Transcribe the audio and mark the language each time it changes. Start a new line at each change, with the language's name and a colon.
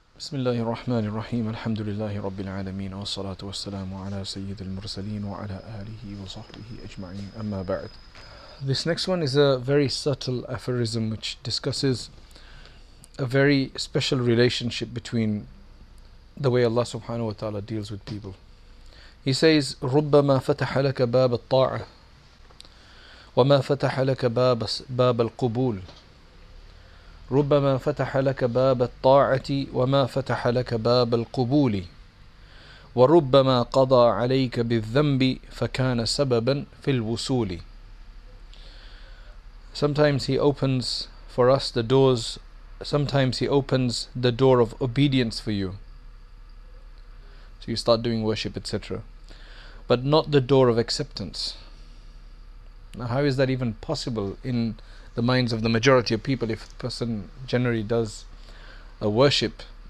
Arabic: بسم الله الرحمن الرحيم الحمد لله رب العالمين والصلاة والسلام على سيد المرسلين وعلى آله وصحبه أجمعين أما بعد.
English: This next one is a very subtle aphorism which discusses a very special relationship between the way Allah subhanahu wa ta'ala deals with people. He says,
Arabic: ربما فتح لك باب الطاعة وما فتح لك باب القبول ربما فتح لك باب الطاعة وما فتح لك باب القبول وربما قضى عليك بالذنب فكان سببا في الوصول.
English: Sometimes he opens for us the doors, sometimes he opens the door of obedience for you, so you start doing worship, etc., but not the door of acceptance. Now, how is that even possible in the minds of the majority of people, if the person generally does a worship?